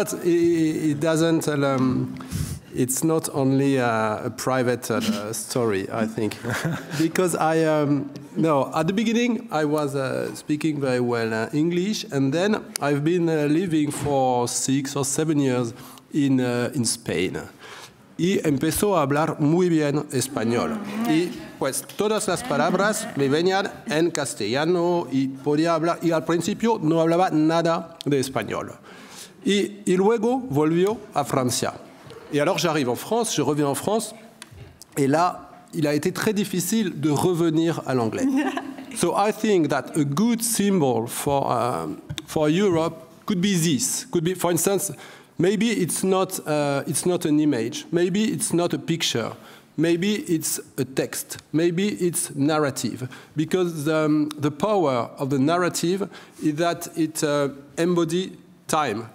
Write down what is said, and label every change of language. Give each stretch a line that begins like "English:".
English: It's not only a private story, I think, because at the beginning I was speaking very well English, and then I've been living for 6 or 7 years in Spain.
Spanish: Y empezó a hablar muy bien español. Y pues todas las palabras me venían en castellano y podía hablar. Y al principio no hablaba nada de español. Y luego volvió a Francia.
French: Et alors j'arrive en France, je reviens en France, et là, il a été très difficile de revenir à l'anglais.
English: So I think that a good symbol for Europe could be this. Could be, for instance, maybe it's not an image. Maybe it's not a picture. Maybe it's a text. Maybe it's narrative. Because the power of the narrative is that it embodies time.